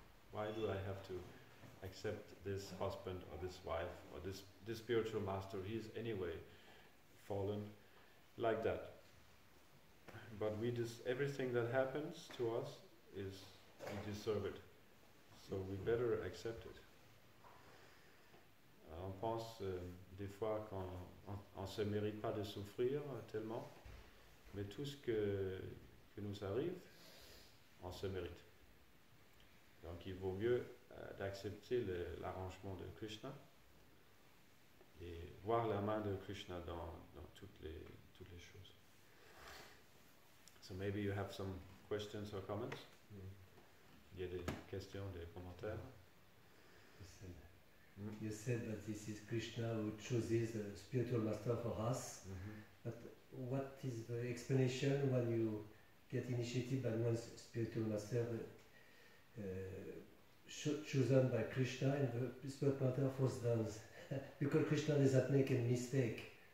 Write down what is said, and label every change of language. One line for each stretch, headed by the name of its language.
English: Why do I have to accept this husband or this wife or this spiritual master? He's anyway fallen like that. But everything that happens to us is we deserve it. So we better accept it.
French: On pense des fois qu'on on se mérite pas de souffrir tellement. Mais tout ce que nous arrive, on se mérite. Donc il vaut mieux d'accepter l'arrangement de Krishna et voir la main de Krishna dans toutes les choses.
English: So maybe you have some questions or comments.
French: Mm. Il y a des questions, des commentaires.
English: You said that this is Krishna who chooses a spiritual master for us. Mm-hmm. But what is the explanation when you get initiated by one spiritual master chosen by Krishna, and the spirit matter falls down because Krishna does not make a mistake?